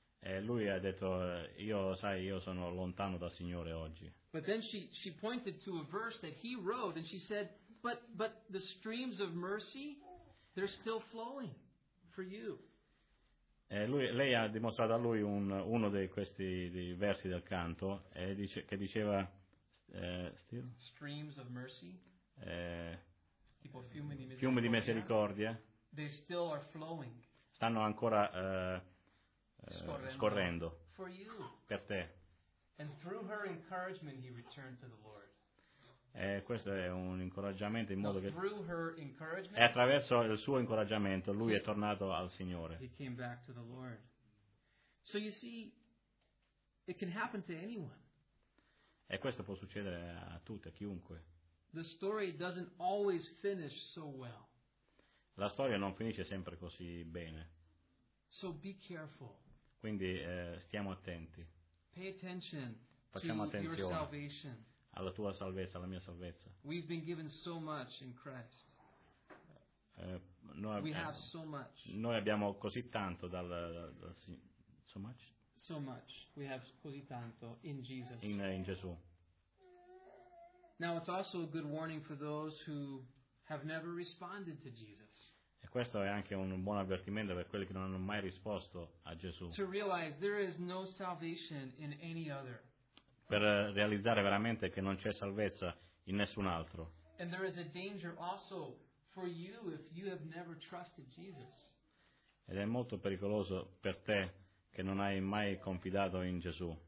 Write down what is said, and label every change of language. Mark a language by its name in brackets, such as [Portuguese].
[Italian] E lui ha detto, io sai, io sono lontano dal Signore oggi. [English] But then she pointed to a verse that he wrote, and she said, but the streams of mercy, they're still flowing for you. [Italian] E lei ha dimostrato a lui uno di questi versi del canto, e che diceva, still? [English] Streams of mercy, tipo [Italian] fiumi di misericordia, [English] they still are flowing. [Italian] Stanno ancora [English] scorrendo for you. [Italian] Per te. [English] And through her encouragement he returned to the Lord. [Italian] Questo è un incoraggiamento in modo che [English] through her encouragement, [Italian] e attraverso il suo incoraggiamento lui è tornato al Signore. [English] He came back to the Lord. So you see, it can happen to anyone. [Italian] E questo può succedere a tutti, a chiunque. [English] The story doesn't always finish so well. [Italian] La storia non finisce sempre così bene. [English] So be careful. [Italian] Quindi stiamo attenti. [English] Pay attention. [Italian] Facciamo [English] to [Italian] attenzione [English] your salvation. [Italian] Alla tua salvezza, alla mia salvezza. [English] We've been given so much in Christ. [Italian] Noi [English] we have so much. [Italian] Noi abbiamo così tanto dal [English] so much. So much. We have [Italian] così tanto [English] in Jesus. [Italian] In Gesù. [English] Now it's also a good warning for those who have never responded to Jesus. [Italian] Questo è anche un buon avvertimento per quelli che non hanno mai risposto a Gesù. [English] To realize there is no salvation in any other. [Italian] Per realizzare veramente che non c'è salvezza in nessun altro. [English] And there is a danger also for you if you have never trusted Jesus. [Italian] Ed è molto pericoloso per te che non hai mai confidato in Gesù.